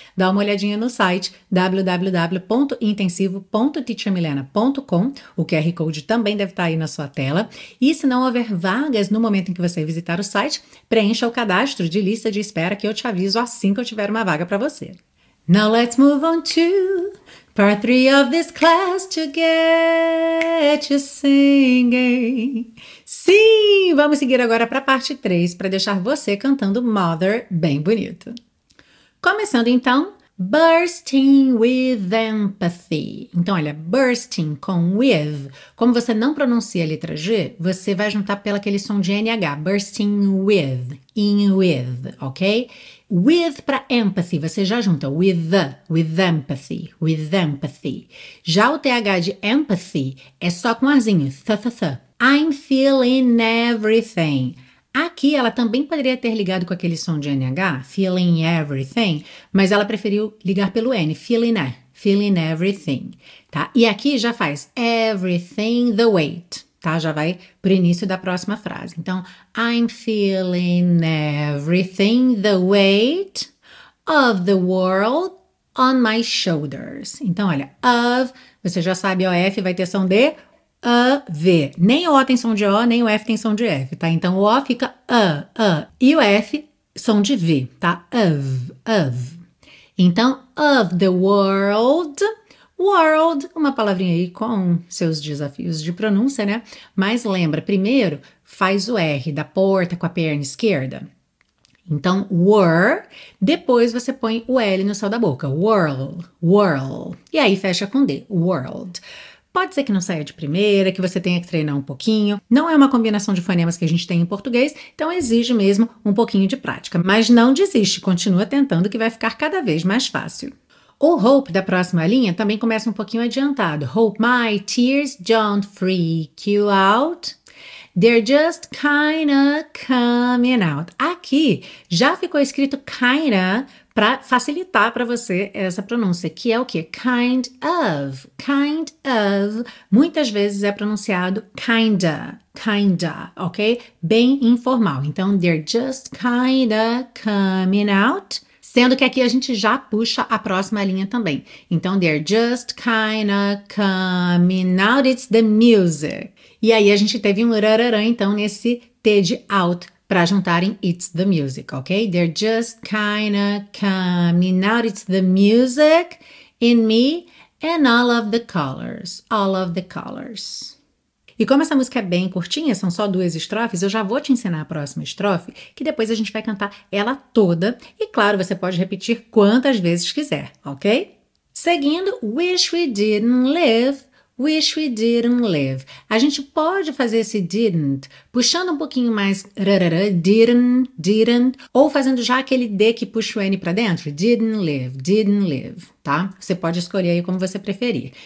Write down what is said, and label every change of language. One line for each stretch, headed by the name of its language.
Portuguese: dá uma olhadinha no site www.intensivo.teachermilena.com, o QR Code também deve estar aí na sua tela, e se não houver vagas no momento em que você visitar o site, preencha o cadastro de lista de espera que eu te aviso assim que eu tiver uma vaga para você.
English: Now let's move on to part 3 of this class to get you singing.
Portuguese: Sim, vamos seguir agora para parte 3 para deixar você cantando Mother bem bonito. Começando então,
English: bursting with empathy.
Portuguese: Então, olha, bursting com with. Como você não pronuncia a letra G, você vai juntar pelo aquele som de NH.
English: Bursting with, in with, ok? With
Portuguese: para
English: empathy,
Portuguese: você já junta
English: with the, with empathy, with empathy.
Portuguese: Já o TH de empathy é só com arzinho, th, th, th.
English: I'm feeling everything.
Portuguese: Aqui ela também poderia ter ligado com aquele som de NH,
English: feeling everything,
Portuguese: mas ela preferiu ligar pelo N, feeling everything, tá? E aqui já faz
English: everything the weight,
Portuguese: tá? Já vai pro início da próxima frase.
English: Então, I'm feeling everything the weight of the world on my shoulders.
Portuguese: Então, olha, of, você já sabe, o F vai ter som de... A, V. Nem o O tem som de O, nem o F tem som de F, tá? Então, o O fica A, A. E o F, som de V, tá?
English: Of, of. Então, of the world.
Portuguese: World, uma palavrinha aí com seus desafios de pronúncia, né? Mas lembra, primeiro, faz o R da porta com a perna esquerda. Então, were. Depois, você põe o L no céu da boca. World, world. E aí, fecha com D. World. Pode ser que não saia de primeira, que você tenha que treinar um pouquinho. Não é uma combinação de fonemas que a gente tem em português, então exige mesmo um pouquinho de prática. Mas não desiste, continua tentando que vai ficar cada vez mais fácil. O Hope da próxima linha também começa um pouquinho adiantado.
English: Hope my tears don't freak you out. They're just kinda coming out.
Portuguese: Aqui já ficou escrito kinda para facilitar para você essa pronúncia, que é o quê?
English: Kind of. Kind of.
Portuguese: Muitas vezes é pronunciado
English: kinda.
Portuguese: Kinda, ok? Bem informal.
English: Então, they're just kinda coming out.
Portuguese: Sendo que aqui a gente já puxa a próxima linha também.
English: Então, they're just kinda coming out, it's the music.
Portuguese: E aí a gente teve um rararã, então, nesse T de out, para juntarem
English: it's the music,
Portuguese: ok?
English: They're just kinda coming out, it's the music in me and all of the colors, all of the colors.
Portuguese: E como essa música é bem curtinha, são só duas estrofes, eu já vou te ensinar a próxima estrofe, que depois a gente vai cantar ela toda. E claro, você pode repetir quantas vezes quiser, ok?
English: Seguindo, wish we didn't live, wish we didn't live.
Portuguese: A gente pode fazer esse didn't puxando um pouquinho mais rarara, didn't, ou fazendo já aquele D que puxa o N pra dentro,
English: didn't live.
Portuguese: Tá? Você pode escolher aí como você preferir.